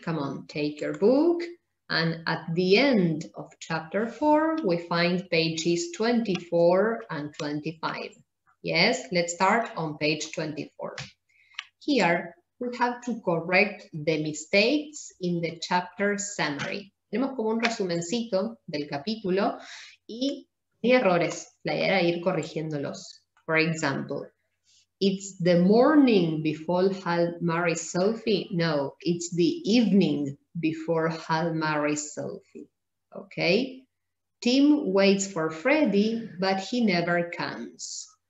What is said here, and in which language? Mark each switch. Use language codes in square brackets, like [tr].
[en] Come on, take your book. And at the end of chapter 4, we find pages 24 and 25. Yes, let's start on page 24. Here, we have to correct the mistakes in the chapter summary. [es] Tenemos como un resumencito del capítulo y hay errores. La idea era ir corrigiéndolos. [en] For example, it's the morning before Hal marries Sophie. No, it's the evening before Hal marries Sophie. Okay. Tim waits for Freddy, but he never comes.